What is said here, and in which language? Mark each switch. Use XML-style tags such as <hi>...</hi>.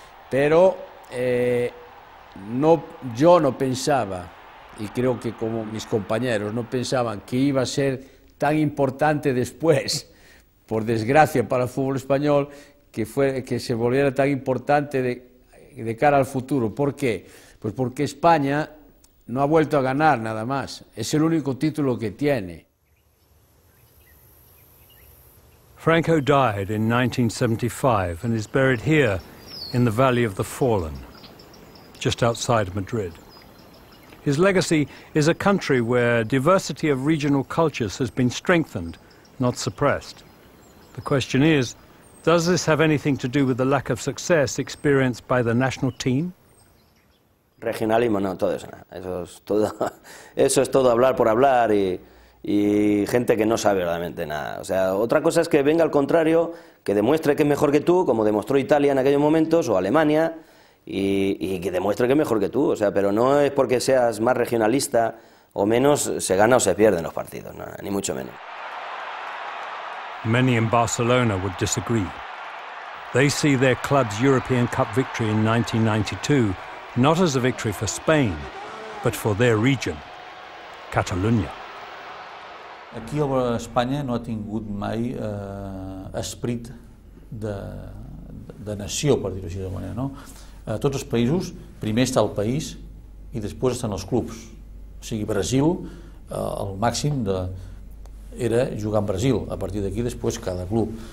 <es>Pero yo no pensaba, y creo que como mis compañeros no pensaban, que iba a ser tan importante después, por desgracia para el fútbol español, que se volviera tan importante de cara al futuro. ¿Por qué? Pues porque España no ha vuelto a ganar nada más. Es el único título que tiene.</es> <en>Franco died in 1975 and is buried here in the Valley of the Fallen, just outside Madrid. His legacy is a country where diversity of regional cultures has been strengthened, not suppressed. The question is, does this have anything to do with the lack of success experienced by the national team?</en> <es>Regionalismo, no, todo eso. Eso es todo hablar por hablar y gente que no sabe realmente nada. O sea, otra cosa es que venga al contrario, que demuestre que es mejor que tú, como demostró Italia en aquellos momentos, o Alemania, y que demuestre que es mejor que tú. O sea, pero no es porque seas más regionalista o menos, se gana o se pierde en los partidos, no, ni mucho menos.</es> <en>Many in Barcelona would disagree. They see their club's European Cup victory in 1992 not as a victory for Spain, but for their region, Catalunya.</en> <ca>Aquí a Espanya no ha tingut mai esperit de nació, per dir-ho així de manera, no? A tots els països, primer està el país i després estan els clubs. O sigui, Brasil, el màxim era jugar en Brasil, a partir d'aquí després cada club.</ca>